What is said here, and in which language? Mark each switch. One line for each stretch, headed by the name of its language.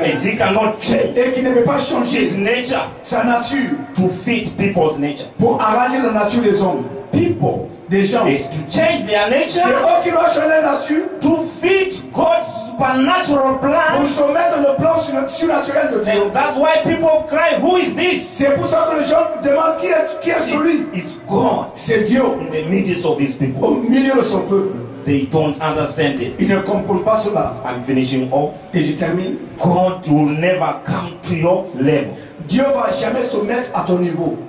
English: And he cannot change.
French: Et qui ne peut pas changer
English: his nature,
French: sa nature,
English: to fit people's nature.
French: Pour arranger la nature des hommes.
English: People,
French: des gens,
English: is to change their nature.
French: C'est eux qui doivent changer la nature.
English: To fit God's supernatural plan.
French: Pour se mettre dans le plan surnaturel de Dieu.
English: And that's why people cry, who is this?
French: C'est pour ça que les gens demandent qui est celui.
English: It's God.
French: C'est Dieu.
English: In the midst of his people.
French: Au milieu de son peuple.
English: They don't understand it.
French: Ils ne comprennent pas cela.
English: I'm finishing off.
French: Et je termine.
English: God will never come to your level.
French: Dieu va jamais se mettre à ton niveau.